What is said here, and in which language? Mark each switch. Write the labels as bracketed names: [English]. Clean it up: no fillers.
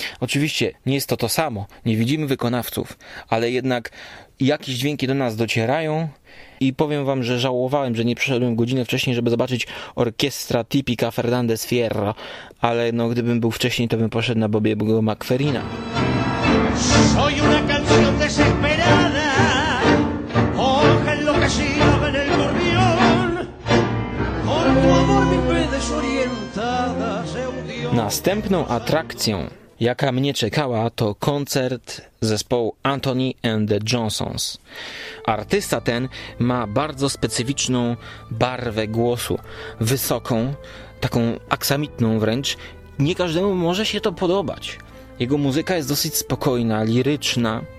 [Polish] Oczywiście nie jest to to samo, nie widzimy wykonawców, ale jednak jakieś dźwięki do nas docierają i powiem wam, że żałowałem, że nie przyszedłem godzinę wcześniej, żeby zobaczyć orkiestra Tipica Fernandez Fierro, ale no gdybym był wcześniej, to bym poszedł na Bobiego McFerrina. [Spanish] Soy una canción desesperada, hoja enloquecida en el corrión, con tu amor mi fe desorientada se hundió. [Polish] Następną atrakcją, jaka mnie czekała, to koncert zespołu Anthony and the Johnsons. Artysta ten ma bardzo specyficzną barwę głosu, wysoką, taką aksamitną wręcz. Nie każdemu może się to podobać. Jego muzyka jest dosyć spokojna, liryczna.